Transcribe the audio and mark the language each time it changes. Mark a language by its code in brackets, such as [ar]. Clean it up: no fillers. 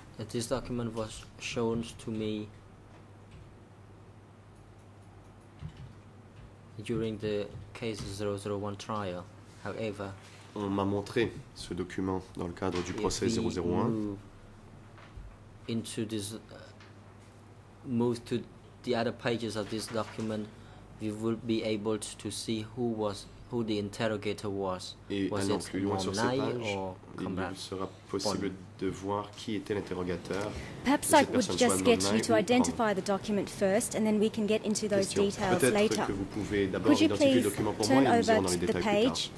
[en] This document was shown to me during the case 001 trial. However, [fr] on m'a montré ce document dans le cadre du procès 001. [en] Into this, move to the other pages of this document. You will be able to see who the interrogator was. [fr] Et [en] was [fr] allant plus loin sur ces pages, il sera possible de voir qui était l'interrogateur. [en] Perhaps I would just get you to identify the document first, and then we can get into those details later. [fr] Que vous pouvez d'abord identifier le document pour moi et nous irons dans les détails plus tard.